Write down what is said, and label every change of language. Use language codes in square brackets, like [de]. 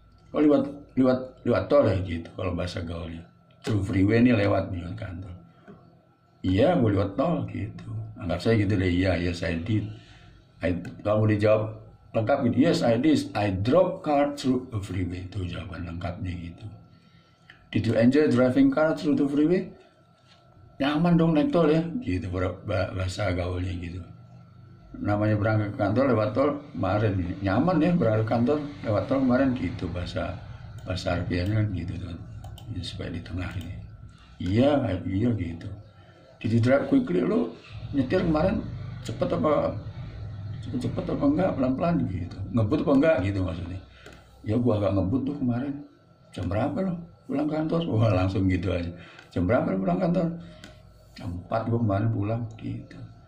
[id] Kalau lewat tol ya gitu kalau bahasa gaulnya. Through freeway ini lewat nih ke kantor. Iya, gua lewat tol gitu. Anggap saya gitu deh. [en] Iya, yes I did. [id] Kamu dijawab lengkap gitu. [en] Yes I did. I drove car through a freeway. [id] Itu jawaban lengkapnya gitu. [en] Did you enjoy driving car through the freeway? [id] Nyaman dong naik tol ya. Gitu bahasa gaulnya gitu. Namanya berangkat ke kantor lewat tol kemarin nyaman ya berangkat kantor lewat tol kemarin gitu bahasa Arabiannya kan gitu kan ya, supaya di tengah ini iya gitu jadi [en] drive quickly [id] lo nyetir kemarin cepet apa enggak pelan pelan gitu ngebut apa enggak gitu maksudnya ya gua agak ngebut tuh kemarin jam berapa lo pulang kantor gua langsung gitu aja jam berapa lo pulang kantor jam 4 gua kemarin pulang gitu.